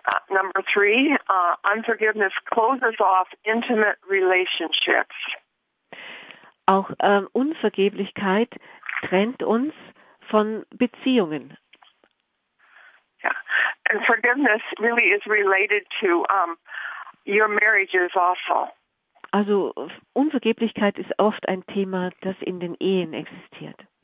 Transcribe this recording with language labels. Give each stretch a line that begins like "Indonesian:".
English: Number three, unforgiveness closes off intimate relationships.
German: Auch Unvergeblichkeit trennt uns von Beziehungen.
English: Yeah. And forgiveness really is related to your marriages also.
German: Also Unvergeblichkeit ist oft ein Thema, das in den Ehen existiert.